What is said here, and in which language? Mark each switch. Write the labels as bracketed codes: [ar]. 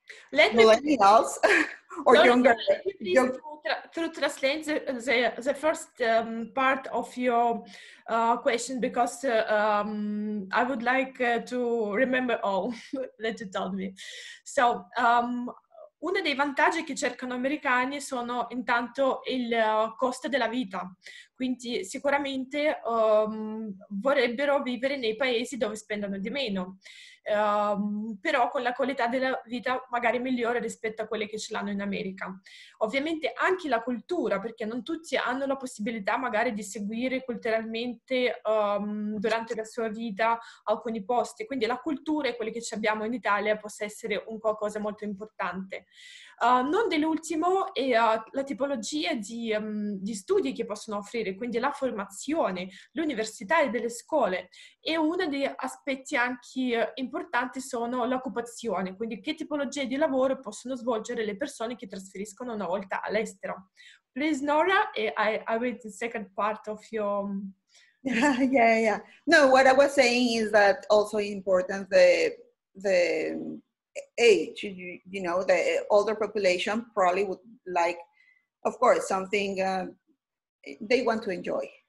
[en] Let millennials me, or no, younger young. Through translate the first part of your question, because I would like to remember all that you told me. [it] So uno dei vantaggi che cercano gli americani sono intanto il costo della vita, quindi sicuramente vorrebbero vivere nei paesi dove spendono di meno, però con la qualità della vita magari migliore rispetto a quelle che ce l'hanno in America. Ovviamente anche la cultura, perché non tutti hanno la possibilità magari di seguire culturalmente durante la sua vita alcuni posti, quindi la cultura e quelle che ci abbiamo in Italia possa essere un qualcosa molto importante. Non dell'ultimo è la tipologia di studi che possono offrire, quindi la formazione, l'università e delle scuole. E uno degli aspetti anche importanti sono l'occupazione, quindi che tipologie di lavoro possono svolgere le persone che trasferiscono una volta all'estero. [en] Please, Nora, I read the second part of your... Yeah. No, what I was saying is that also important the age, you know, the older population probably would like, of course, something they want to enjoy.